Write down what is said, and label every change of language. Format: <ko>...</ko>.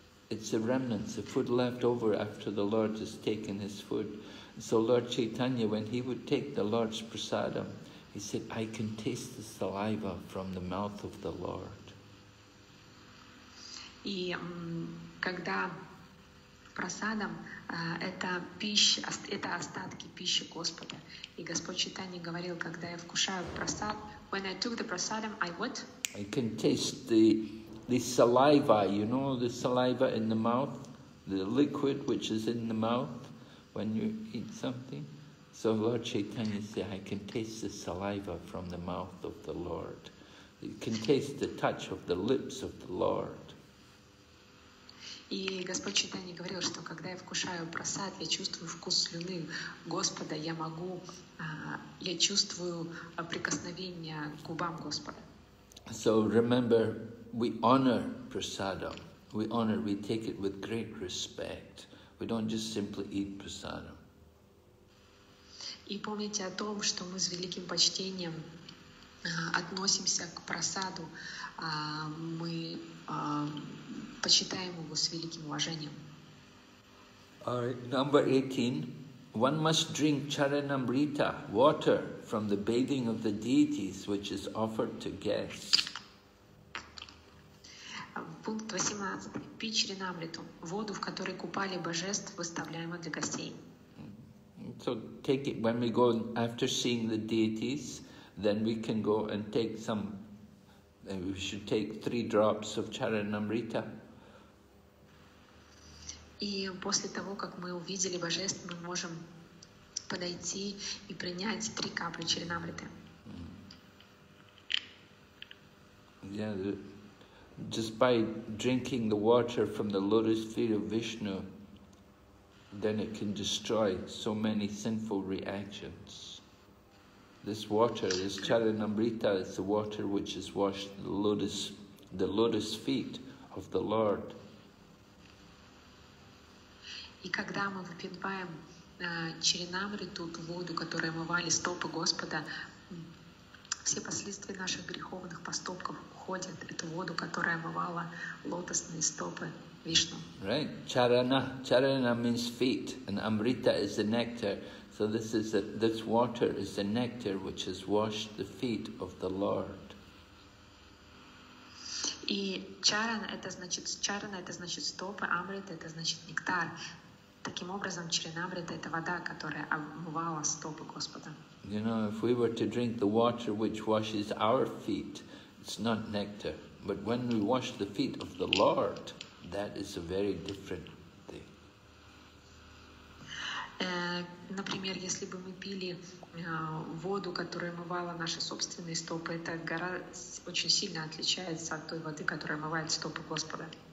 <en>It's the remnants, the food left over after the Lord has taken his food. So Lord Chaitanya, when he would take the Lord's prasada, he said, I can taste the saliva from the mouth of the Lord.</en> <ru>И когда прасадам это пища, это остатки пищи Господа. И Господь Читания говорил, когда я вкушаю прасад,</ru> <en>when I took the prasadam, I what? I can taste the saliva, you know, the saliva in the mouth, the liquid which is in the mouth when you eat something. So Lord Chaitanya said, I can taste the saliva from the mouth of the Lord. You can taste the touch of the lips of the Lord.</en> <ru>И Господь Читания говорил, что когда я вкушаю прасад, я чувствую вкус слюны Господа, я могу, я чувствую прикосновение к губам Господа.</ru> <en>So remember, we honor prasadam. We honor, we take it with great respect. We don't just simply eat prasadam.</en> <ru>И помните о том, что мы с великим почтением относимся к прасаду. Мы почитаем его с великим уважением.</ru> <en>All right, number 18. One must drink charanamrita, water, from the bathing of the deities, which is offered to guests.</en> <ru>Пункт 18. Пить чаранамриту, воду, в которой купали божеств, выставляемую для гостей.</ru> <en>So take it when we go after seeing the deities, then we can go and take some. We should take 3 drops of charanamrita.</en> <ru>И после того, как мы увидели божеств, мы можем подойти и принять 3 капли чаранамриты.</ru> <en>Yeah, just by drinking the water from the lotus feet of Vishnu, then it can destroy so many sinful reactions. This water, this charanamrita, is the water which has washed the lotus feet of the Lord.</en> <ru>И когда мы выпиваем чаранамриту, ту воду, которой омывали стопы Господа, все последствия наших греховных поступков уходят. Эту воду, которая омывала лотосные стопы Вишну.</ru> <en>Right. Charana. Charana means feet, and amrita is the nectar. So this water is the nectar which has washed the feet of the Lord.</en> <ru>И чарана это значит стопы, амрита это значит нектар. Таким образом, чаранамрита это вода, которая омывала стопы Господа.</ru> <en>You know, if we were to drink the water which washes our feet, it's not nectar. But when we wash the feet of the Lord, that is a very different thing.</en> <ru>Например, если бы мы пили воду, которая омывала наши собственные стопы, это очень сильно отличается от той воды, которая омывает стопы Господа.</ru>